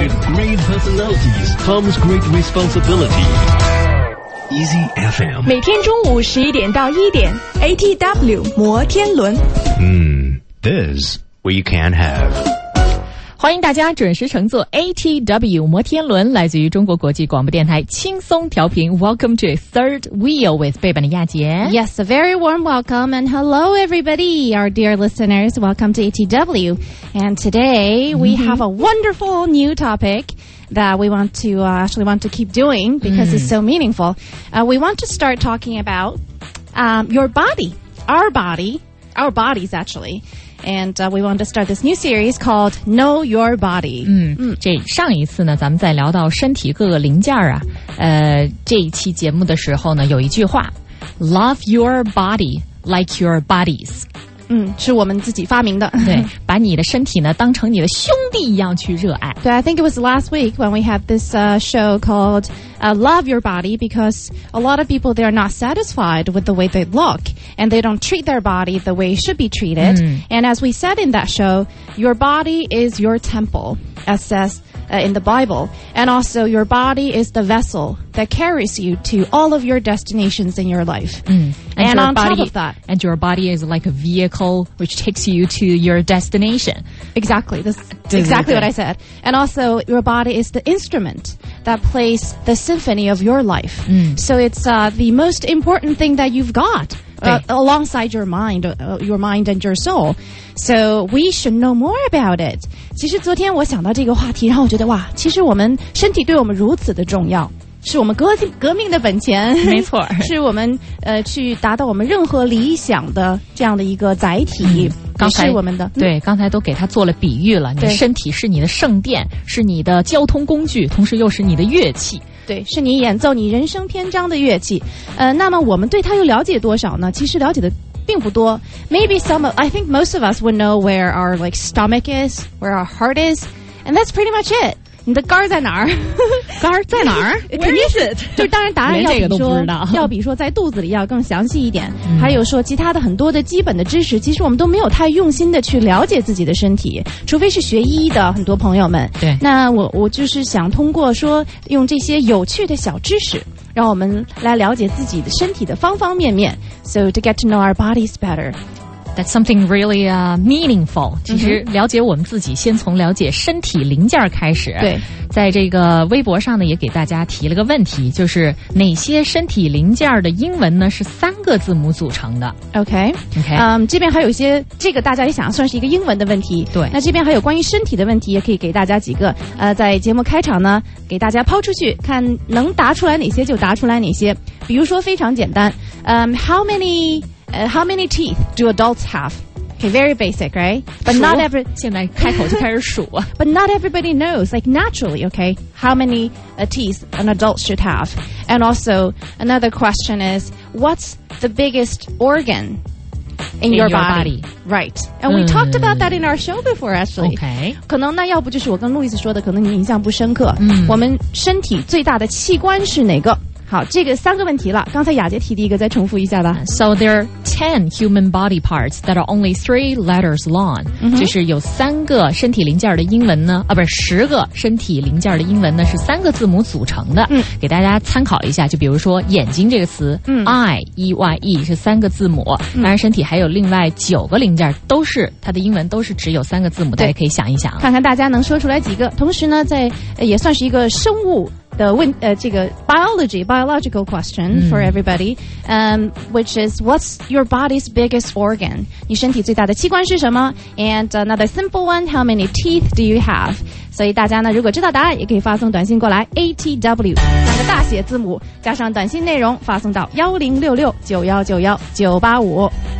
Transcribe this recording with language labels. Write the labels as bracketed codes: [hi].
[en] with great personalities comes great responsibility Easy FM [zh] 每天中午十一点到一点 ATW 摩天轮 [en] This we can have [zh] 欢迎大家准时乘坐 ATW 摩天轮，来自于中国国际广播电台轻松调频。 [en] Welcome to Third Wheel with 贝本的亚杰。 Yes, a very warm welcome and hello everybody, our dear listeners. Welcome to ATW. And today we have a wonderful new topic that we want to actually want to keep doing because it's so meaningful. We want to start talking about your body, our body, our bodies actually. And we want to start this new series called Know Your Body. [zh] 这上一次呢咱们在聊到身体各个零件啊这一期节目的时候呢有一句话 [en] Love your body like your bodies. [zh] 是我们自己发明的。对把你的身体呢当成你的兄弟一样去热爱。对 [en] I think it was last week when we had this show calledLove your body because a lot of people, they are not satisfied with the way they look and they don't treat their body the way it should be treated. And as we said in that show, your body is your temple, as says, in the Bible. And also, your body is the vessel that carries you to all of your destinations in your life. And your body is like a vehicle which takes you to your destination. Exactly. That's exactly what I said. And also, your body is the instrument that plays the symphony of your life. So it's the most important thing that you've got alongside your mind, and your soul. So we should know more about it. [zh] 其实昨天我想到这个话题，然后我觉得哇，其实我们身体对我们如此的重要，是我们革命的本钱，没错，是我们去达到我们任何理想的这样的一个载体。刚才是我们的对，刚才都给他做了比喻了。你的身体是你的圣殿，是你的交通工具，同时又是你的乐器。对，是你演奏你人生篇章的乐器。那么我们对它又了解多少呢？其实了解的并不多。 [en] I think most of us would know where our like stomach is, where our heart is, and that's pretty much it. [zh] 你的肝在哪儿？肝在哪儿？肯定是，就当然答案要比说，要比说在肚子里要更详细一点。还有说其他的很多的基本的知识，其实我们都没有太用心的去了解自己的身体，除非是学医的很多朋友们。对，那我就是想通过说用这些有趣的小知识，让我们来了解自己的身体的方方面面。 [en] So to get to know our bodies better. That's something really meaningful. [zh] 其实了解我们自己先从了解身体零件开始。对，在这个微博上呢也给大家提了个问题，就是哪些身体零件的英文呢是三个字母组成的。 OK 这边还有一些，这个大家也想算是一个英文的问题。对，那这边还有关于身体的问题，也可以给大家几个在节目开场呢给大家抛出去，看能答出来哪些就答出来哪些。比如说非常简单， [en] How many teeth do adults have? Okay, very basic, right? But not every [zh] 现在开口就开始数啊。 [en] But not everybody knows, like naturally, okay? How many teeth an adult should have? And also, another question is, what's the biggest organ in your body? Right. And we talked about that in our show before, actually. Okay. [zh] 可能那要不就是我跟路易斯说的，可能你印象不深刻。我们身体最大的器官是哪个？好，这个三个问题了，刚才雅洁提的一个再重复一下吧。 [en] So there are 10 human body parts that are only 3 letters long、 [zh] 就是有三个身体零件的英文呢不是十个身体零件的英文呢是三个字母组成的、给大家参考一下，就比如说眼睛这个词、EYE 是三个字母，当然身体还有另外九个零件都是它的英文都是只有三个字母，大家可以想一想看看大家能说出来几个。同时呢在、也算是一个生物的问这个 [en] biological question for everybody, which is what's your body's biggest organ? [zh] 你身体最大的器官是什么？ [en] And another simple one, how many teeth do you have? [zh] 所以大家呢，如果知道答案，也可以发送短信过来 ATW 三个大写字母加上短信内容发送到10669191985。